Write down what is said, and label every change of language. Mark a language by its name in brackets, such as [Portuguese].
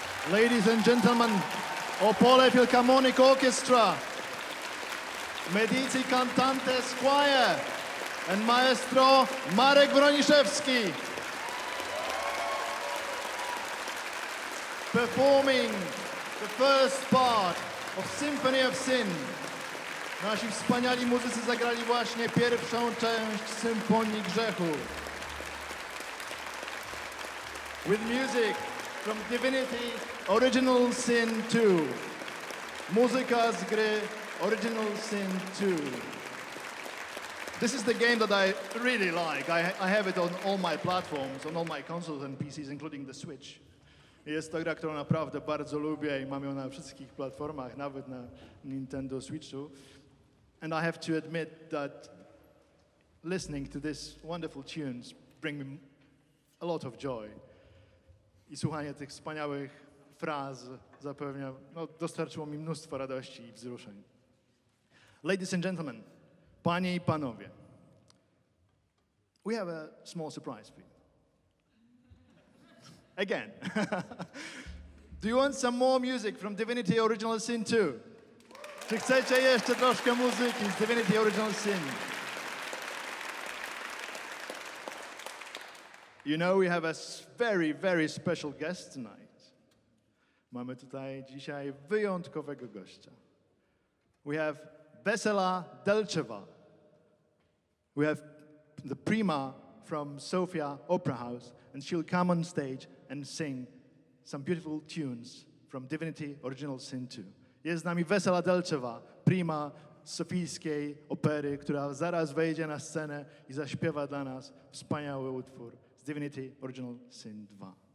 [English] Ladies and gentlemen, Opole Philharmonic Orchestra, Medici Cantantes Choir, and Maestro Marek Broniszewski. Performing the first part of Symphony of Sin. [Polish] Nasi wspaniali muzycy zagrali właśnie pierwszą część Symfonii Grzechu. [English] With music from Divinity Original Sin 2. [Polish] Muzyka z gry Original Sin 2. [English] This is the game that I really like. I have it on all my platforms, on all my consoles and PCs, including the Switch. [Polish] Jest to gra, którą naprawdę bardzo lubię i mam ją na wszystkich platformach, nawet na Nintendo Switchu. [English] And I have to admit that listening to this wonderful tunes bring me a lot of joy. [Polish] I słuchanie tych wspaniałych fraz zapewnia, no, dostarczyło mi mnóstwo radości i wzruszeń. [English] Ladies and gentlemen, [Polish] panie i panowie, [English] we have a small surprise for you. Again. Do you want some more music from Divinity Original Sin 2? [Polish] Czy chcecie jeszcze troszkę muzyki z Divinity Original Sin? [English] You know, we have a very, very special guest tonight. [Polish] Mamy tutaj dzisiaj wyjątkowego gościa. [English] We have Vesela Delcheva. We have the prima from Sofia Opera House, and she'll come on stage and sing some beautiful tunes from Divinity Original Sin 2. [Polish] Jest z nami Vesela Delcheva, prima sofijskiej opery, która zaraz wejdzie na scenę i zaśpiewa dla nas wspaniały utwór z Divinity Original Sin 2.